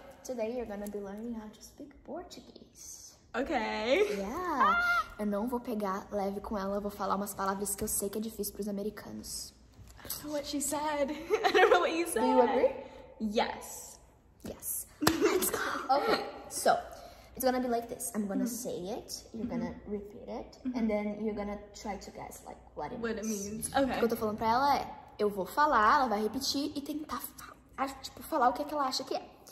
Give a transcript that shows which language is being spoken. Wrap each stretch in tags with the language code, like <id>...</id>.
<en>Today you're gonna be learning how to speak Portuguese. Ok. Yeah.</en> <pt>Eu não vou pegar leve com ela, eu vou falar umas palavras que eu sei que é difícil pros americanos.</pt> <en>I don't know what she said. I don't know what you said. Do you agree? Yes. Yes. Let's go. Okay. So, it's gonna be like this. I'm gonna say it. You're gonna repeat it. And then you're gonna try to guess, like, what it what means. What it means. Okay.</en> <pt>O que eu tô falando pra ela é, eu vou falar, ela vai repetir e tentar, tipo, falar o que, é que ela acha que é.</pt>